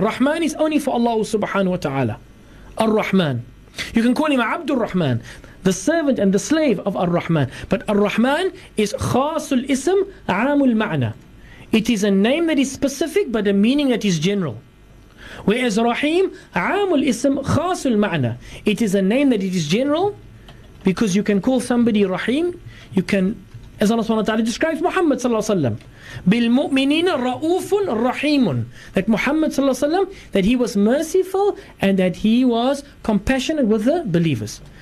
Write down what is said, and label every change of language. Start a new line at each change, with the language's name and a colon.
English: Rahman is only for Allah subhanahu wa ta'ala. Ar-Rahman. You can call him Abdul Rahman, the servant and the slave of Ar-Rahman. But Ar-Rahman is
Arabic: khasul ism, amul ma'na.
English: It is a name that is specific, but a meaning that is general.
Arabic: Whereas Rahim, عام الاسم خاص المعنى.
English: It is a name that it is general, because you can call somebody Rahim. You can, as Allah subhanahu wa ta'ala describes Muhammad sallallahu alayhi wa sallam,
Arabic: بالمؤمنين رؤوف رحيم.
English: That Muhammad sallallahu alayhi wa sallam, that he was merciful and that he was compassionate with the believers.